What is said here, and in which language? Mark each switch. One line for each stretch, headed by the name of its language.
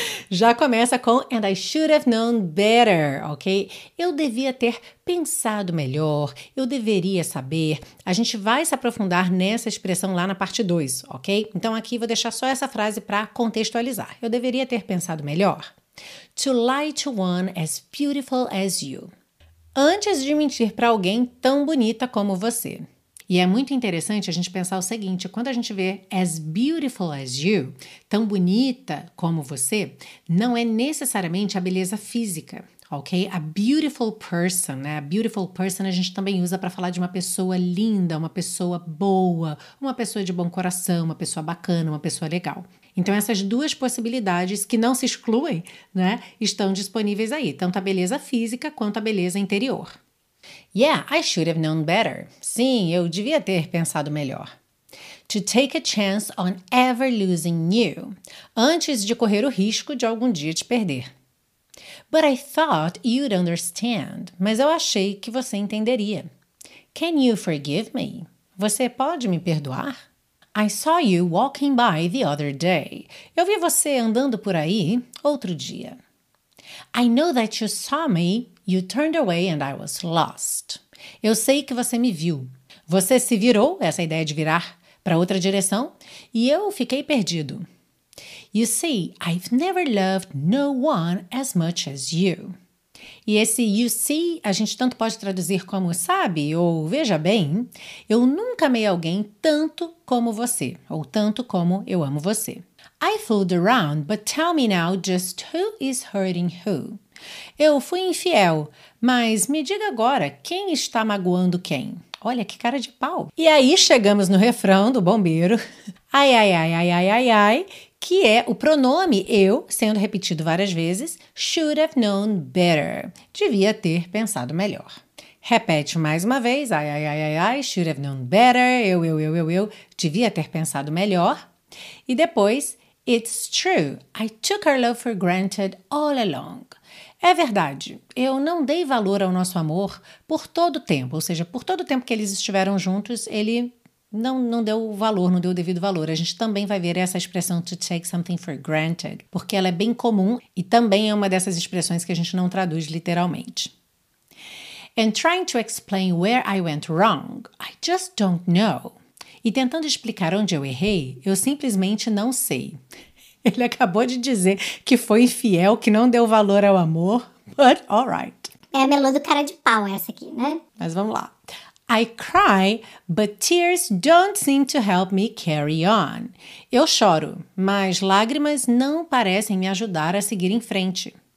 Portuguese: Já começa com
English: And I should have known better, ok?
Portuguese: Eu devia ter pensado melhor, eu deveria saber. A gente vai se aprofundar nessa expressão lá na parte 2, ok? Então aqui vou deixar só essa frase para contextualizar. Eu deveria ter pensado melhor.
English: To lie to one as beautiful as you.
Portuguese: Antes de mentir para alguém tão bonita como você. E é muito interessante a gente pensar o seguinte: quando a gente vê
English: as beautiful as you,
Portuguese: tão bonita como você, não é necessariamente a beleza física, ok?
English: A beautiful person,
Portuguese: né? A beautiful person a gente também usa para falar de uma pessoa linda, uma pessoa boa, uma pessoa de bom coração, uma pessoa bacana, uma pessoa legal. Então, essas duas possibilidades, que não se excluem, né, estão disponíveis aí, tanto a beleza física quanto a beleza interior.
English: Yeah, I should have known better.
Portuguese: Sim, eu devia ter pensado melhor.
English: To take a chance on ever losing you.
Portuguese: Antes de correr o risco de algum dia te perder.
English: But I thought you'd understand.
Portuguese: Mas eu achei que você entenderia.
English: Can you forgive me?
Portuguese: Você pode me perdoar?
English: I saw you walking by the other day.
Portuguese: Eu vi você andando por aí outro dia.
English: I know that you saw me, you turned away and I was lost.
Portuguese: Eu sei que você me viu. Você se virou, essa ideia de virar para outra direção, e eu fiquei perdido.
English: You see, I've never loved no one as much as you.
Portuguese: E esse
English: you see,
Portuguese: a gente tanto pode traduzir como sabe ou veja bem. Eu nunca amei alguém tanto como você, ou tanto como eu amo você.
English: I fooled around, but tell me now just who is hurting who.
Portuguese: Eu fui infiel, mas me diga agora quem está magoando quem. Olha que cara de pau. E aí chegamos no refrão do bombeiro. Ai, ai, ai, ai, ai, ai, ai. Que é o pronome eu sendo repetido várias vezes,
English: should have known better.
Portuguese: Devia ter pensado melhor. Repete mais uma vez, ai, ai, ai, ai, ai,
English: should have known better,
Portuguese: eu, devia ter pensado melhor. E depois,
English: it's true, I took our love for granted all along.
Portuguese: É verdade, eu não dei valor ao nosso amor por todo o tempo, ou seja, por todo o tempo que eles estiveram juntos, ele. Não deu valor, não deu o devido valor. A gente também vai ver essa expressão
English: to take something for granted,
Portuguese: porque ela é bem comum e também é uma dessas expressões que a gente não traduz literalmente.
English: And trying to explain where I went wrong, I just don't know.
Portuguese: E tentando explicar onde eu errei, eu simplesmente não sei. Ele acabou de dizer que foi infiel, que não deu valor ao amor.
English: But all right.
Portuguese: É a melô do cara de pau essa aqui, né? Mas vamos lá.
English: I cry, but tears don't seem to help me carry on.
Portuguese: Eu choro, mas lágrimas não parecem me ajudar a seguir em frente.